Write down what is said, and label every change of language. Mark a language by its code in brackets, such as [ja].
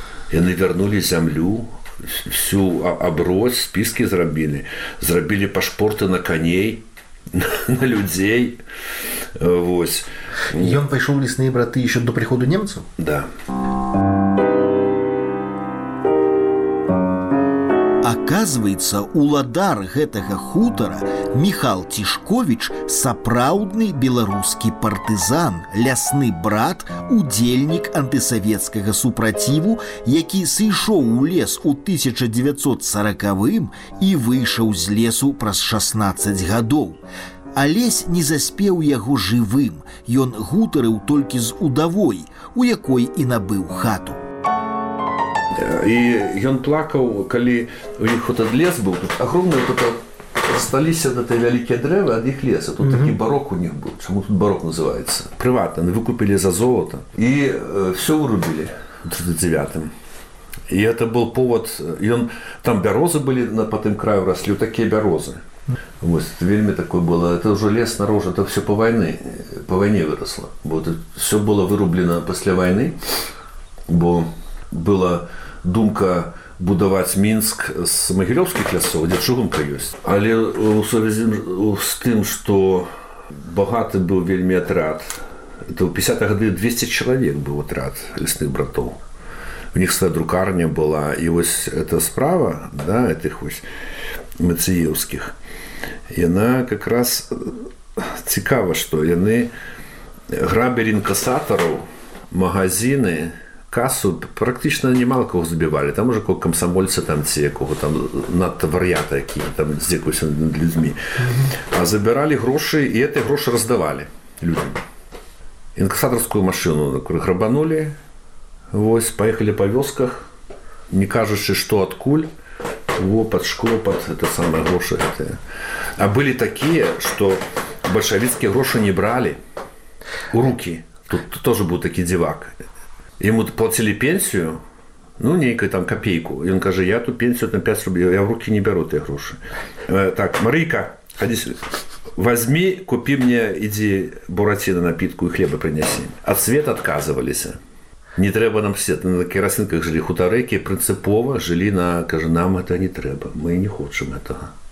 [ru] И они вернули землю, всю оброць, списки зробили. [be] Зробили пашпорты на коней, на людей. [ru] Вот. И он пошел в лесные браты еще до прихода немцев? Да. [be] Оказывается, уладар гэтага хутара Михал Тишкович сапраўдны беларускі партызан, лясны брат, удзельнік антысавецкага супраціву, які сышоў у лес у 1940-м і выйшаў з лесу праз 16 гадоў. Алесь не заспеў яго жывым, ён гутарыў толькі з удавой, у якой і набыў хату. [ru] И он плакал, когда у них вот этот лес был, тут огромные вот остались от этой великие древа, от их леса, тут такой барок у них был, почему тут барок называется, приватно, они выкупили за золото и все вырубили в 39-м. И это был повод, и он, там березы были по тем краю росли, вот такие березы. Вот вельми такое было, это уже лес наружу, это все по войне выросло. Вот все было вырублено после войны, бо было думка [be] будаваць Мінск з магілёўскіх лясоў, дзе чыгунка ёсць. Але ў сувязі з тым, што багаты быў вельмі атрад, то ў 50-х гады 200 чалавек быў атрад лясных братоў. У них свая друкарня была, і вось эта справа, да, этих вось Мацеевскіх, яна как раз цікава, што яны грабілі інкасатараў, магазіны, касу практычна немало кого забівалі. Там уже кого комсомольца там ці якого там надто вар'ята, які там здзекуюся над людзьмі. А забіралі грошы, і гэтыя грошы раздавалі людзям. Інкасатарскую машыну грабанулі, вось, паехалі па вёсках, не кажучы, што адкуль. Во, пад шкло, пад гэта самае грошы гэтыя. А былі такія, што бальшавіцкія грошы не бралі у рукі. Тут тоже быў такі дзівак. Яму плацілі пенсію, ну, нейкую там капейку. Ён кажа, я ту пенсію там 5 рублей, я ў рукі не бяру тыя грошы. Так, Марыйка, хадзі сюды. Вазьмі, купі мне, ідзі бураціна напітку і хлеба прынясі. А свет адказываліся. Не трэба нам все, на керасінках жылі хутарэкі, прынцыпова жылі на, кажа, нам гэта не трэба, мы не хочам гэтага.